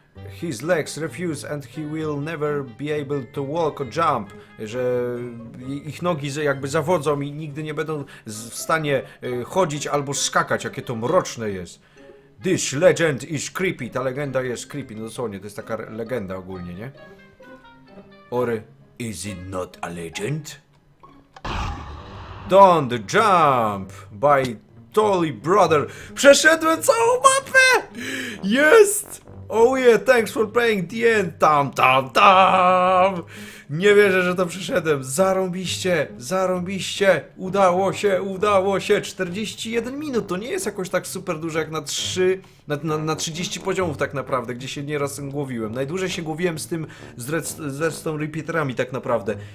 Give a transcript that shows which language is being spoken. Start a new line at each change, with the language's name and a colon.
English: His legs refuse and he will never be able to walk or jump.
Polish: Że ich nogi jakby zawodzą i nigdy nie będą w stanie chodzić albo skakać. Jakie to mroczne jest.
English: This legend is creepy.
Polish: Ta legenda jest
English: creepy.
Polish: No dosłownie, to jest taka legenda ogólnie, nie?
English: Or is it not a legend? Don't jump by Tolly Brother.
Polish: Przeszedłem całą mapę! Jest!
English: Oh yeah, thanks for playing the end.
Polish: Tam, tam, tam! Nie wierzę, że to przeszedłem. Zarąbiście, zarąbiście. Udało się, udało się. 41 minut, to nie jest jakoś tak super dużo jak na 30 poziomów tak naprawdę, gdzie się nieraz głowiłem. Najdłużej się głowiłem z tym, z tą repeaterami tak naprawdę.